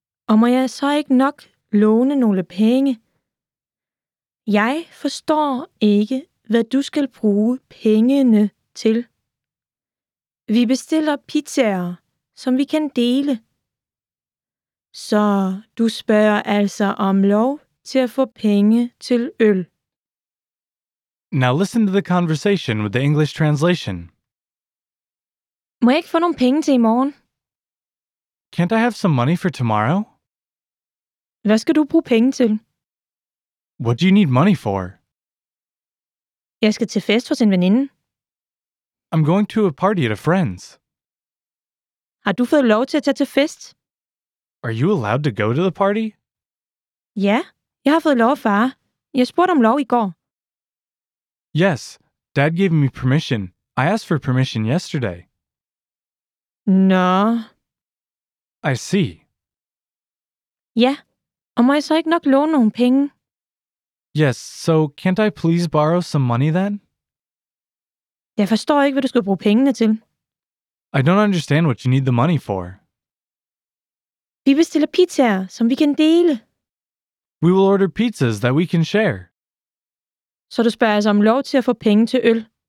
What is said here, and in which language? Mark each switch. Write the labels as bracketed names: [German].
[Danish] Og må jeg så ikke nok låne nogle penge? Jeg forstår ikke, hvad du skal bruge pengene til. Vi bestiller pizzaer, som vi kan dele. Så du spørger altså om lov til at få penge til øl. [English] Now listen to the conversation with the English translation. [Danish] Må jeg ikke få nogle penge til i morgen? [English] Can't I have some money for tomorrow? [Danish] Hvad skal du bruge penge til? [English] What do you need money for? [Danish] Jeg skal til fest hos en veninde. [English] I'm going to a party at a friend's. [Danish] Har du fået lov til at tage til fest? [English] Are you allowed to go to the party? [Danish] Ja, jeg har fået lov af far. Jeg spurgte om lov i går. [English] Yes, Dad gave me permission. I asked for permission yesterday. [Danish] Nå. [English] I see. [Danish] Ja. Og må jeg så ikke nok låne nogle penge? [English] Yes, so can't I please borrow some money then? [Danish] Jeg forstår ikke, hvad du skal bruge pengene til. [English] I don't understand what you need the money for. [Danish] Vi bestiller pizzaer, som vi kan dele. [English] We will order pizzas that we can share. [Danish] Så du spørger om lov til at få penge til øl.